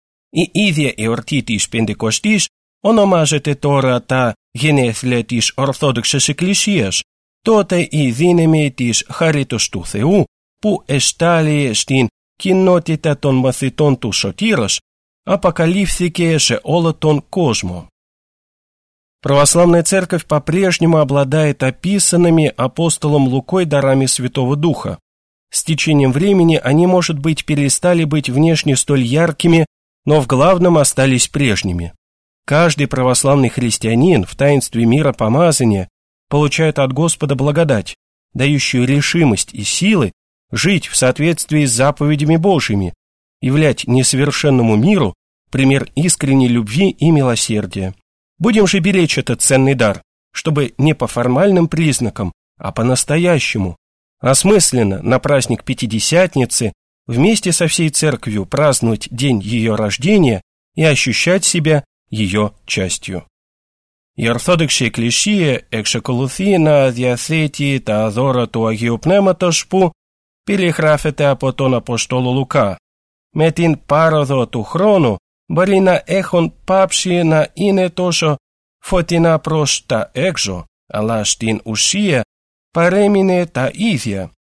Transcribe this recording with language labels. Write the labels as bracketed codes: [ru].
[el] Η ίδια εορτή της Πεντηκοστής ονομάζεται τώρα τα γενέθλια της Ορθόδοξης Εκκλησίας. Τότε η δύναμη της Χάριτος του Θεού που εστάλει στην κοινότητα των μαθητών του Σωτήρας αποκαλύφθηκε σε όλο τον κόσμο. [ru] Православная Церковь по-прежнему обладает описанными апостолом Лукой дарами Святого Духа. С течением времени они, может быть, перестали быть внешне столь яркими, но в главном остались прежними. Каждый православный христианин в таинстве мира помазания получает от Господа благодать, дающую решимость и силы жить в соответствии с заповедями Божьими, являть несовершенному миру пример искренней любви и милосердия. Будем же беречь этот ценный дар, чтобы не по формальным признакам, а по-настоящему, осмысленно на праздник Пятидесятницы вместе со всей Церковью праздновать день ее рождения и ощущать себя ее частью. [el] Η Ορθόδοξη Εκκλησία εξακολουθεί να διαθέτει τα δώρα του Αγίου Πνεύματος που περιγράφεται από τον Αποστόλο Λουκά. Με την πάροδο του χρόνου μπορεί να έχουν πάψει να είναι τόσο φωτεινά προς τα έξω, αλλά στην ουσία παρέμεινε τα ίδια.